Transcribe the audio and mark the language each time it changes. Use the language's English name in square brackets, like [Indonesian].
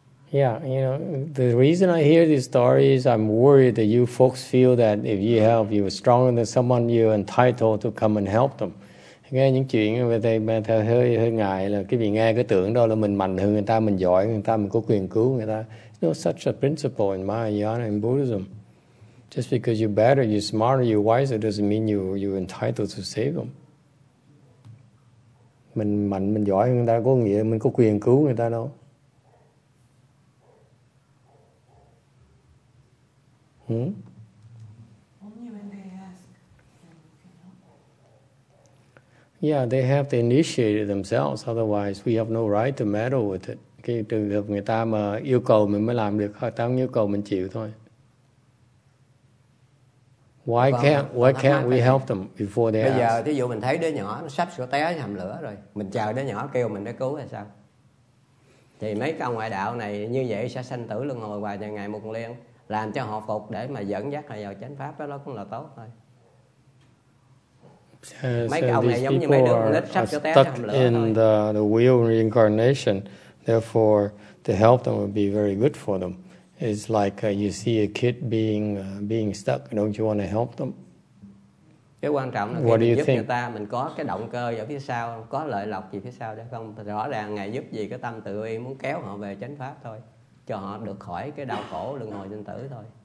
[English] Yeah, you know, the reason I hear these stories, I'm worried that you folks feel that if you help, you're stronger than someone, you're entitled to come and help them. [Vietnamese] Nghe những chuyện về thầy mà thầy hơi ngại là cái vị nghe cái tưởng đó là mình mạnh hơn người ta, mình giỏi người ta, mình có quyền cứu người ta. [English] It's not such a principle in Mahayana and Buddhism. Just because you're better, you're smarter, you're wiser, doesn't mean you're entitled to save them. [Vietnamese] Mình mạnh, mình giỏi hơn người ta có nghĩa mình có quyền cứu người ta đâu. [English] Only when they ask. Yeah, they have to initiate it themselves. Otherwise, we have no right to meddle with it. [Vietnamese] Cái trường hợp người ta mà yêu cầu mình mới làm được, người ta không yêu cầu mình chịu thôi. [English] Why can't we help them before they ask? [Vietnamese] Bây giờ, thí dụ mình thấy đứa nhỏ nó sắp sửa té hầm lửa rồi, mình chờ đứa nhỏ kêu mình để cứu hay sao? Thì mấy cái ngoại đạo này như vậy sẽ sanh tử luân hồi vài ngày một liên. Làm cho họ phục để mà dẫn dắt họ vào chánh pháp, đó cũng là tốt thôi. Mấy cái ông này giống như mấy đứa con nít sắp cho té hầm lửa [English] in the wheel reincarnation, therefore to help them would be very good for them. It's like you see a kid being stuck, don't you want to help them? [Vietnamese] Cái quan trọng là khi mình giúp người ta, mình có cái động cơ ở phía sau, có lợi lộc gì phía sau đó không? Rõ ràng ngài giúp gì cái tâm tự y muốn kéo họ về chánh pháp thôi, cho họ được khỏi cái đau khổ luân hồi sinh tử thôi.